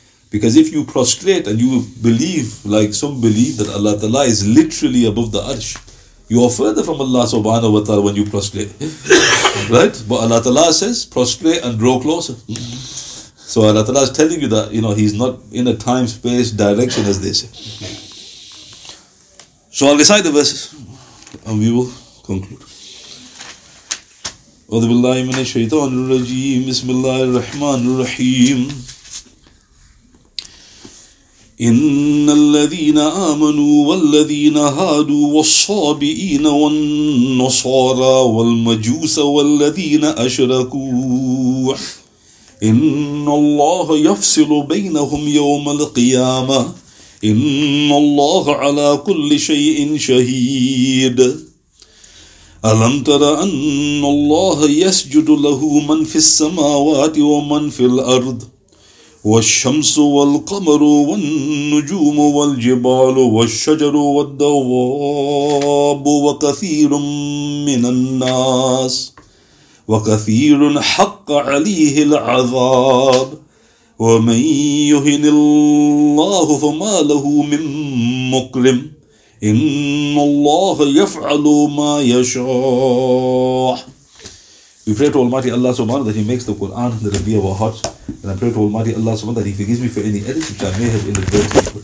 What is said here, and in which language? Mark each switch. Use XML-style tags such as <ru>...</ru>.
<en>Because if you prostrate and you believe, like some believe, that Allah Ta'ala is literally above the arsh, you are further from Allah subhanahu wa ta'ala when you prostrate. Right? But Allah Ta'ala says, prostrate and draw closer. So Allah Ta'ala is telling you that, you know, he's not in a time, space, direction, as they say. So I'll recite the verses and we will conclude.</en> <ar>أعوذ بالله من الشيطان الرجيم بسم الله الرحمن الرحيم إن الذين آمنوا والذين هادوا والصابئين والنصارى والمجوس والذين أشركوا إن الله يفصل بينهم يوم القيامة إن الله على كل شيء شهيد ألم تر أن الله يسجد له من في السماوات ومن في الأرض والشمس والقمر والنجوم والجبال والشجر والدواب وكثير من الناس وكثير حق عليه العذاب ومن يهن الله فما له من مكرم إن الله يفعل ما يشاء.</ar> <en>We pray to Almighty Allah subhanahu wa ta'ala that He makes the Quran the Rabbi of our hearts. And I pray to Almighty Allah subhanahu wa ta'ala that He forgives me for any edits which I may have inadvertently put.</en>